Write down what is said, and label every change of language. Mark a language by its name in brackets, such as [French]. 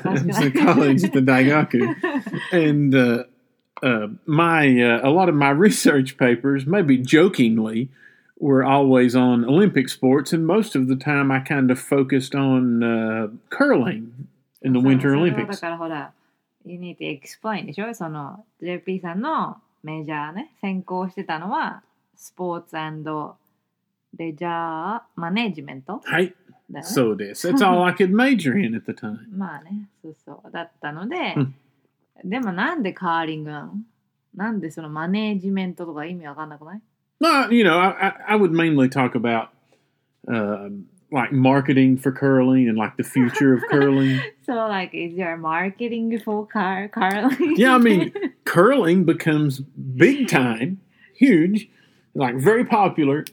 [English] So it was a college at the Daigaku. And a lot of my research papers, maybe jokingly, were always on Olympic sports. And most of the time I kind of focused on curling. In the Winter Olympics. [Japanese] だからほら、 [English] you need to explain [Japanese] でしょ? その、JP さんのメジャーね、専攻してたのは、スポーツ&レジャーマネジメント? はい。そうです。 [English] That's all I could major in at the time. [Japanese] まあね、そうそう。だったので、でもなんでカーリングなの? なんでそのマネジメントとか意味わかんなくない? [English] Well, you know, I would mainly talk about... like marketing for curling and like the future of curling. So like, is there marketing for curling? Yeah, I mean, curling becomes big time, huge, like very popular.